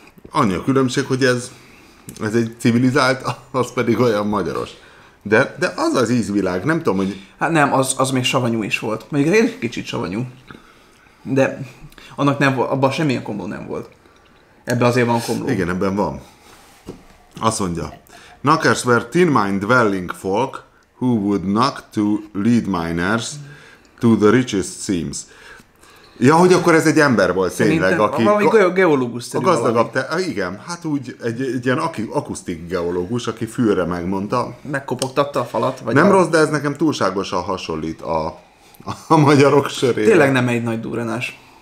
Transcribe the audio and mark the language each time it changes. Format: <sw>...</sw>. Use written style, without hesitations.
<hu>Annyi a különbség, hogy ez egy civilizált, az pedig olyan magyaros. De az az ízvilág, nem tudom, hogy... Hát nem, az még savanyú is volt. Mondjuk egy kicsit savanyú. De annak nem volt, abban semmilyen komló nem volt. Ebben azért van komló. Igen, ebben van. Azt mondja.</hu> <en>Knockers were thin mind dwelling folk who would knock to lead miners to the richest seams.</en> <hu>Ja, hogy akkor ez egy ember volt tényleg, aki... geológus a gazdagabb valami. Igen, hát úgy egy ilyen akusztik geológus, aki fülre megmondta. Megkopogtatta a falat? Vagy nem rossz, de ez nekem túlságosan hasonlít a magyarok sörére. Tényleg nem egy nagy durranás.</hu>